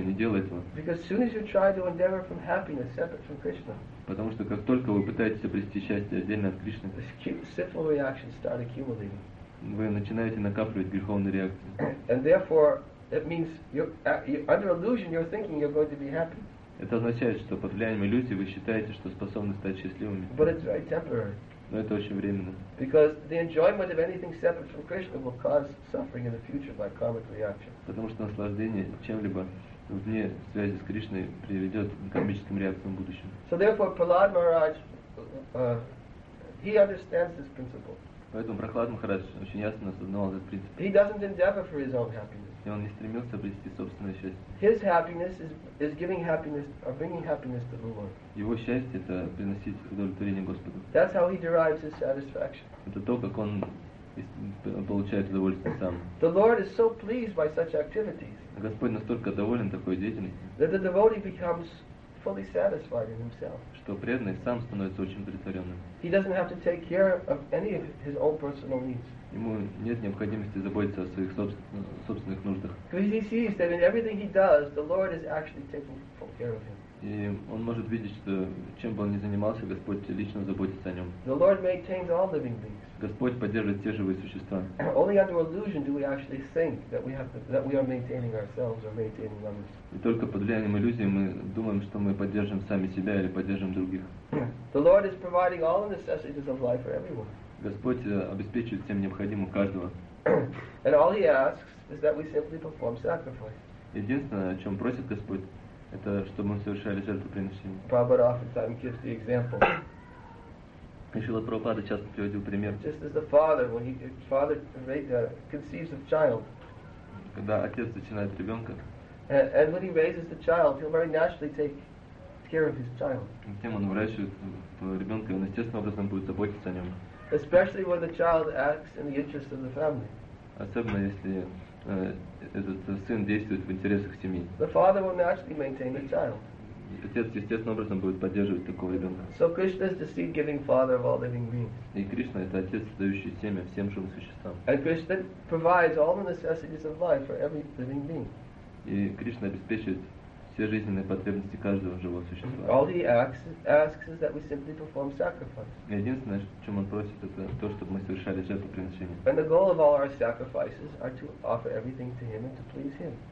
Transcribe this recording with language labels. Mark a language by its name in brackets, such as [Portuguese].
[Russian] Не делай этого. [English] Because soon as you try to endeavor for happiness separate from Krishna, [Russian] потому что как только вы пытаетесь обрести счастье отдельно от Кришны, [English] sinful reactions start accumulating. [Russian] Вы начинаете накапливать греховные реакции. [English] And therefore, it means you're under illusion. You're thinking you're going to be happy. [Russian] Это означает, что под влиянием иллюзий вы считаете, что способны стать счастливыми. [English] But it's very temporary. [Russian] Но это очень временно. [English] Because the enjoyment of anything separate from Krishna will cause suffering in the future by karmic reaction. [Russian] Потому что наслаждение чем-либо вне связи с Кришной приведет к кармическим реакциям в будущем. [English] So therefore, Prahlad Maharaj, he understands this principle. [Russian] Поэтому Прохлад Махарадж очень ясно осознавал этот принцип. [English] He doesn't endeavor for his own happiness. [Russian] И он не стремился обрести собственное счастье. [English] His happiness is giving happiness or bringing happiness to the Lord. [Russian] Его счастье это приносить удовлетворение Господу. [English] That's how he derives his satisfaction. [Russian] Это то, как он получает удовольствие сам. [English] The Lord is so pleased by such activities. [Russian] Господь настолько доволен такой деятельностью. [English] That the devotee becomes fully satisfied in himself. [Russian] Что преданный сам становится очень удовлетворенным. [English] He doesn't have to take care of any of his own personal needs. [Russian] Ему нет необходимости заботиться о своих собственных нуждах. [English] Because he sees that in everything he does, the Lord is actually taking full care of him. [Russian] И он может видеть, что чем бы он ни занимался, Господь лично заботится о нем. [English] The Lord maintains all living beings. [Russian] Господь поддерживает все живые существа. [English] Only under illusion do we actually think that we are maintaining ourselves or maintaining others. [Russian] И только под влиянием иллюзии мы думаем, что мы поддерживаем сами себя или поддерживаем других. [English] The Lord is providing all the necessities of life for everyone. [Russian] Господь обеспечивает всем необходимым каждого. [English] And all he asks is that we simply perform sacrifice. [Russian] Единственное, о чем просит Господь, это чтобы мы совершали жертвоприношение. [English] Prabhupada oftentimes gives the example. [Russian] Шрила Прабхупада часто приводил пример. [English] Just as the father, when he father conceives a child. [Russian] Когда отец зачинает ребенка. [English] And when he raises the child, he'll very naturally take care of his child. [Russian] Затем он выращивает ребенка, он естественным образом будет заботиться о нем. [English] Especially when the child acts in the interest of the family. [Russian] Особенно если этот сын действует в интересах семьи. [English] The father will naturally maintain the child. [Russian] Отец естественным образом будет поддерживать такого ребенка. [English] So Krishna is the seed-giving father of all living beings. [Russian] И Кришна это отец, дающий семя всем живым существам. [English] And Krishna provides all the necessities of life for every living being. [Russian] И Кришна обеспечивает все жизненные потребности каждого живого существа. [English] All he asks is that we simply perform sacrifice. [Russian] И единственное, о чем он просит, это то, чтобы мы совершали жертвоприношение. [English] And the goal of all our sacrifices are to offer everything to him and to please him.